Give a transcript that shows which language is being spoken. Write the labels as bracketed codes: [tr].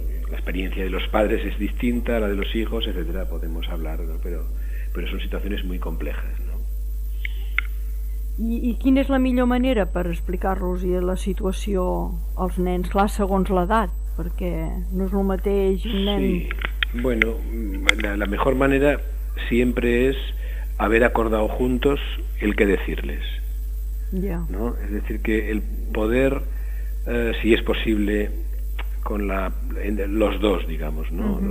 [es] La experiencia de los padres es distinta a la de los hijos, etcétera, podemos hablar, ¿no? pero son situaciones muy complejas, ¿no? [ca] I quina és la millor manera per explicar-los la situació als nens, clar, segons l'edat, perquè no és el mateix un nen... [es] Sí, bueno, la mejor manera siempre es haber acordado juntos el que decirles. Yeah. ¿No? Es decir, que el poder, si es posible, con los dos, digamos, ¿no? Uh-huh.